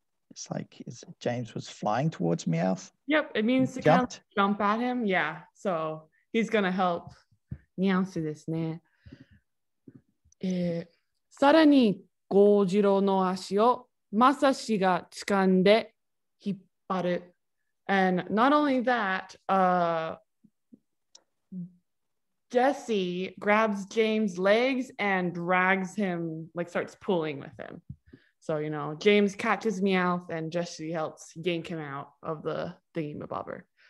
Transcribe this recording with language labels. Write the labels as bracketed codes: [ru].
[en] It's like, is it James was flying towards Meowth? Yep, it means to kind of jump at him. Yeah, so he's going to help Meowth do this. [ja] さらに、ゴージローの足をマサシが掴んで引っ張る。 [en] And not only that, Jesse grabs James' legs and drags him, like starts pulling with him. So, you know, James catches Meowth and Jesse helps yank him out of the thingy mabobber.